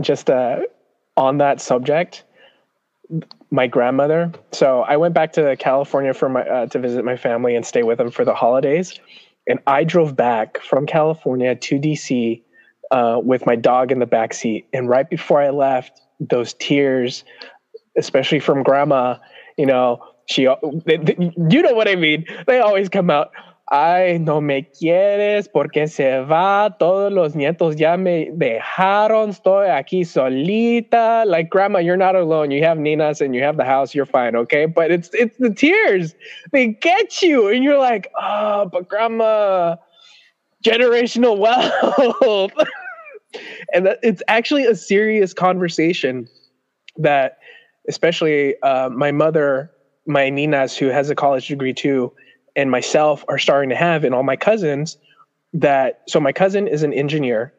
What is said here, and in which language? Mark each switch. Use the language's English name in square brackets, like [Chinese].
[English] Just on that subject, my grandmother, so I went back to California for my to visit my family and stay with them for the holidays. And I drove back from California to DC with my dog in the backseat. And right before I left, those tears, especially from grandma, you know, you know what I mean? They always come out. [Spanish] Ay, no me quieres porque se va, todos los nietos ya me dejaron, estoy aquí solita. [English] Like, grandma, you're not alone. You have ninas and you have the house. You're fine, okay? But it's the tears. They get you. And you're like, oh, but grandma, generational wealth. And that, it's actually a serious conversation that especially my mother, my ninas, who has a college degree too, and myself are starting to have, and all my cousins that, so my cousin is an engineer.